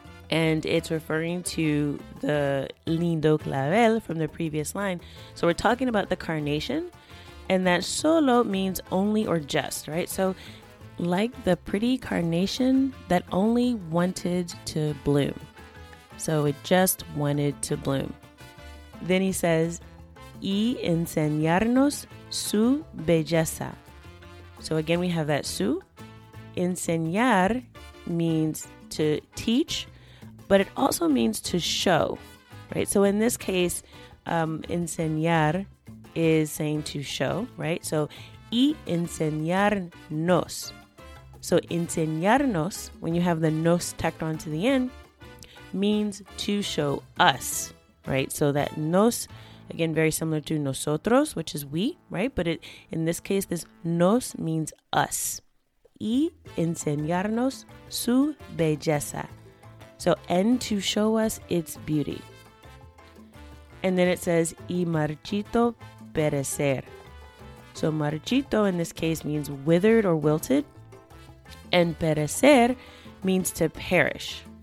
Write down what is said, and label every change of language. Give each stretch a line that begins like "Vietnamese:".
English: And it's referring to the
Spanish: lindo clavel
English: from the previous line. So we're talking about the carnation. And that solo means only or just, right? So like the pretty carnation that only wanted to bloom. So it just wanted to bloom. Then he says,
Spanish: y enseñarnos su belleza.
English: So again, we have that su. Enseñar means to teach, but it also means to show, right? So in this case, enseñar is saying to show, right? So
Spanish: y enseñarnos.
English: So enseñarnos, when you have the nos tacked onto the end, means to show us, right? So that nos, again, very similar to nosotros, which is we, right? But it, in this case, this nos means us.
Spanish: Y enseñarnos su belleza.
English: So, and to show us its beauty. And then it says,
Spanish: y marchito perecer.
English: So marchito in this case means withered or wilted. And perecer means to perish.